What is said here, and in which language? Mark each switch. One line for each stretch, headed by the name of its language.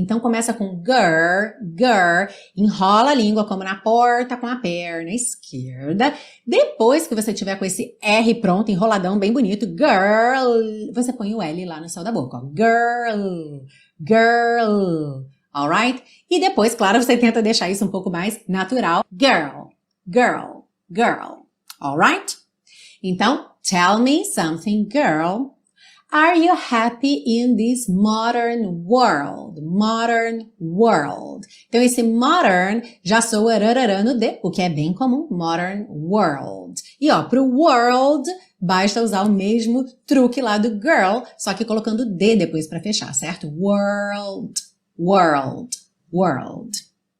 Portuguese: Então, começa com girl, girl, enrola a língua como na porta, com a perna esquerda. Depois que você tiver com esse R pronto, enroladão, bem bonito, girl, você põe o L lá no céu da boca. Ó.
English: Girl, girl. Alright?
Portuguese: E depois, claro, você tenta deixar isso um pouco mais natural.
English: Girl, girl, girl. Alright? Então, tell me something, girl. Are you happy in this modern world? Modern world.
Portuguese: Então, esse modern já soa rarara no D, o que é bem comum, modern world. E, ó, pro world, basta usar o mesmo truque lá do girl, só que colocando D depois para fechar, certo?
English: World, world, world.